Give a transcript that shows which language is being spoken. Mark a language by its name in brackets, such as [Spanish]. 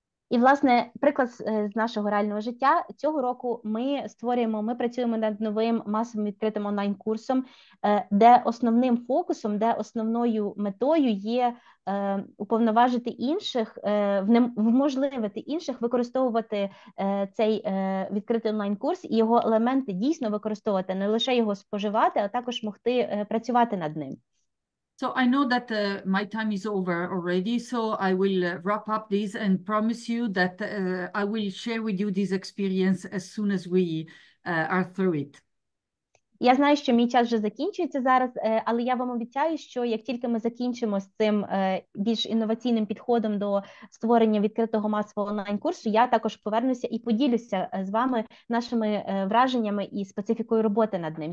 [Ukrainian] І, власне, приклад з нашого реального життя. Цього року ми працюємо над новим масовим відкритим онлайн-курсом, де основним фокусом, де основною метою є уповноважити інших, вможливити інших використовувати цей відкритий онлайн-курс і його елементи дійсно використовувати, не лише його споживати, а також могти працювати над ним. [English] So I know that my time is over already, so I will wrap up this and promise you that I will share with you this experience as soon as we are through it. [Ukrainian] Я знаю, що мій час вже закінчується зараз, але я вам обіцяю, що як тільки ми закінчимо з цим більш інноваційним підходом до створення відкритого масового онлайн-курсу, я також повернуся і поділюся з вами нашими враженнями і специфікою роботи над ним.